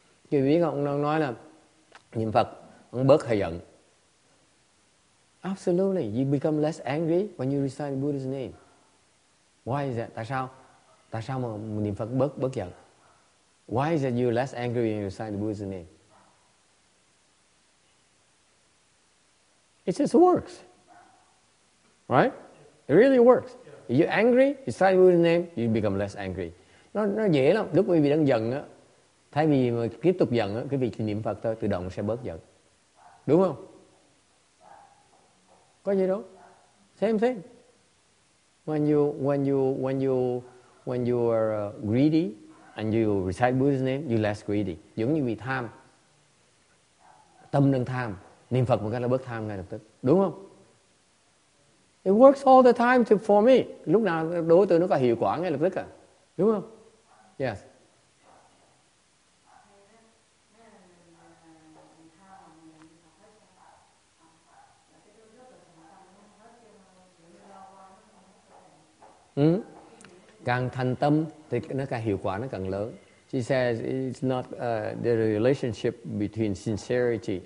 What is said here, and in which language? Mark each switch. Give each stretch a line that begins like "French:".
Vietnamese: Vì biết ông đang nói là niệm Phật, ông bớt hay giận.
English: Absolutely, you become less angry when you recite Buddha's name. Why is that?
Vietnamese: Tại sao mà niệm Phật bớt giận?
English: Why is that you less angry when you recite Buddha's name? It just works, right? It really works. If you're angry, you recite Buddha's name, you become less angry.
Vietnamese: Nó dễ lắm. Lúc quý vị đang giận á, thay vì mà tiếp tục giận á, quý vị niệm Phật thôi, tự động sẽ bớt giận. Đúng không? Có gì đâu.
English: Same thing. When you are greedy and you recite Buddha's name, you're less greedy.
Vietnamese: Giống như vì tham. Tâm đang tham. Niệm Phật một cái là bớt tham ngay lập tức. Đúng không?
English: It works all the time for me.
Vietnamese: Lúc nào đối với tôi nó có hiệu quả ngay lập tức à. Đúng không? Yes. Ừ. Càng thành tâm thì nó càng hiệu quả, nó càng lớn.
English: She says it's not the relationship between sincerity.